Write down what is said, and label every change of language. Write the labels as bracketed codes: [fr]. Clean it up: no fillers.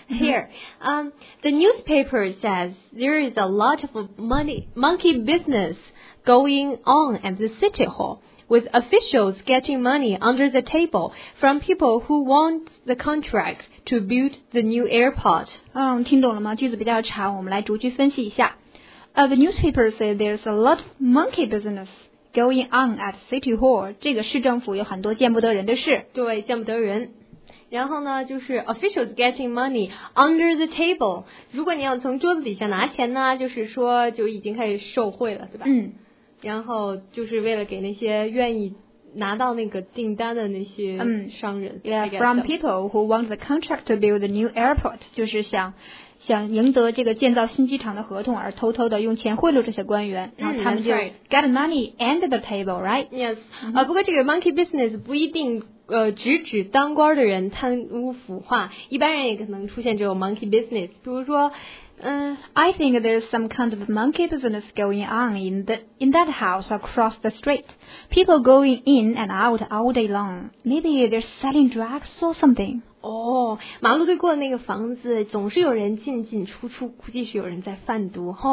[en] Here, the newspaper says there is a lot of monkey business going on at the city hall. With officials getting money under the table from people who want the contract to build the new airport. [zh] 听懂了吗？句子比较长，我们来逐句分析一下。 [en] The newspaper says there's a lot of monkey business going on at City Hall. [zh] 这个市政府有很多见不得人的事。对，见不得人。然后呢，就是 [en] officials getting money under the table. [zh] 如果你要从桌子底下拿钱呢，就是说就已经开始受贿了，对吧？然后就是为了给那些愿意拿到那个订单的那些商人。 [en] From people who want the contract to build the new airport, [zh] 就是想赢得这个建造新机场的合同而偷偷的用钱贿赂这些官员。然后他们就 [en] get money under the table, right? [zh] Yes. 不过这个 monkey business 不一定直指当官的人贪污腐化，一般人也可能出现这种 monkey business, 比如说 [en] I think there's some kind of monkey business going on in that house across the street. People going in and out all day long. Maybe they're selling drugs or something. [zh] 马路对过的那个房子总是有人进进出出，估计是有人在贩毒。